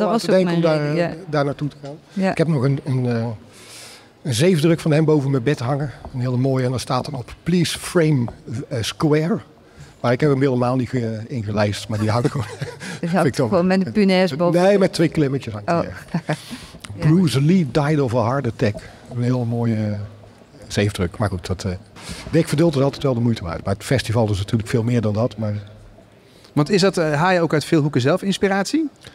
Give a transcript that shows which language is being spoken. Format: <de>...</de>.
<nl>wel aan te denken om daar naartoe te gaan. Ja. Ik heb nog een zeefdruk van hem boven mijn bed hangen. Een hele mooie. En daar staat dan op,</nl> <en>please frame square.</en> <nl>Maar ik heb hem helemaal niet ingelijst. Maar die hangt gewoon... Dus ik gewoon met een punaise boven. Nee, met 2 klimmetjes hangt hij. Oh.</nl> <en>Bruce Lee died of a heart attack.</en> <nl>Een heel mooie zeefdruk. Maar goed, dat... Dick verdult er altijd wel de moeite waard. Maar het festival is natuurlijk veel meer dan dat. Maar... Want is dat haal je ook uit veel hoeken zelf inspiratie?</nl>